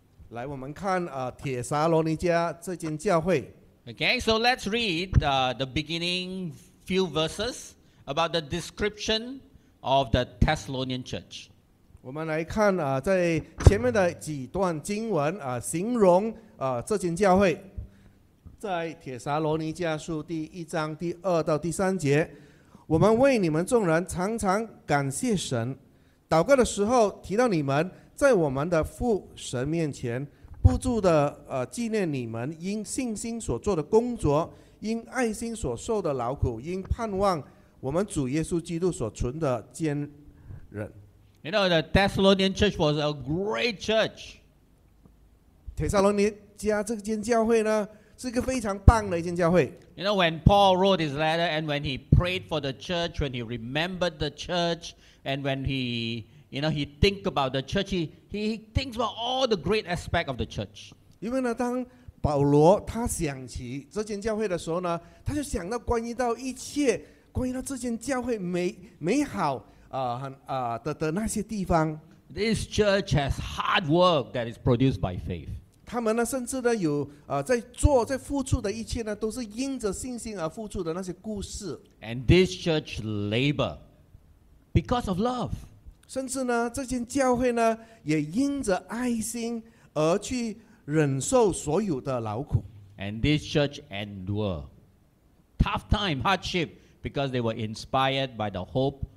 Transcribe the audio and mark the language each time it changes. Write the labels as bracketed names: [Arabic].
[Chinese] 来，我们看帖撒罗尼迦这间教会。 [English] Okay, so let's read the beginning few verses about the description of the Thessalonian church. [Chinese] 我们来看在前面的几段经文形容这间教会，在帖撒罗尼迦书第一章第二到第三节。我们为你们众人常常感谢神，祷告的时候提到你们在我们的父神面前不住的纪念你们因信心所做的工作，因爱心所受的劳苦，因盼望我们主耶稣基督所存的坚人。 [English] You know, the Thessalonian church was a great church. [Chinese] 帖撒罗尼迦这间教会呢，是一个非常棒的一间教会。 [English] You know, when Paul wrote his letter and when he prayed for the church, when he remembered the church, and when he, you know, he think about the church, he thinks about all the great aspect of the church. [Chinese] 因为呢，当保罗他想起这间教会的时候呢，他就想到关于到一切关于到这间教会美好。的那些地方 [English] ，This church has hard work that is produced by faith. [Chinese] 他们呢，甚至呢有在做在付出的一切呢，都是因着信心而付出的那些故事。 [English] And this church labor because of love. [Chinese] 甚至呢，这间教会呢，也因着爱心而去忍受所有的劳苦。 [English] And this church endure tough time hardship because they were inspired by the hope.